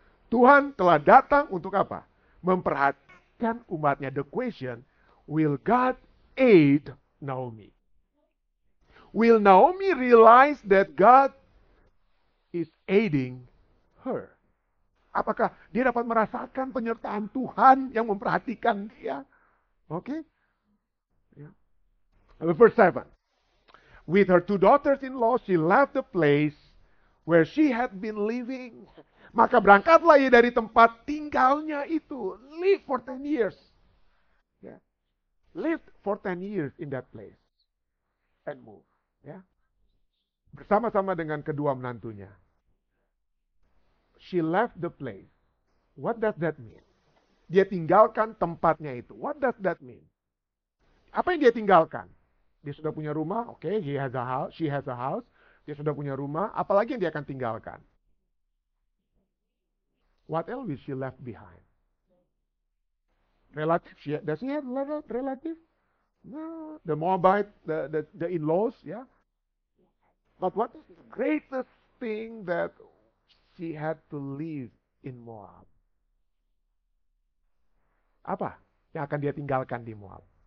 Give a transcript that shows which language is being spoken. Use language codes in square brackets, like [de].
[id] Tuhan telah datang untuk apa? Memperhatikan umatnya. [en] The question, will God aid Naomi? Will Naomi realize that God is aiding her? [id] Apakah dia dapat merasakan penyertaan Tuhan yang memperhatikan dia? [en] Okay. Yeah. Verse 7. With her two daughters-in-law, she left the place where she had been living. [id] Maka berangkatlah ia dari tempat tinggalnya itu. [en] Live for 10 years. Yeah. Live for 10 years in that place. And move. Yeah. [id] Bersama-sama dengan kedua menantunya. [en] She left the place. What does that mean? [id] Dia tinggalkan tempatnya itu. [en] What does that mean? [id] Apa yang dia tinggalkan? Dia sudah punya rumah. [en] Okay, he has a house. She has a house. Dia sudah punya rumah. [id] Apalagi yang dia akan tinggalkan? [en] What else will she left behind? Relative? Does he have a relative? No. The Moabite, the in-laws, yeah. But what is the greatest thing that she had to leave in Moab? [id] Apa yang akan dia tinggalkan di Moab?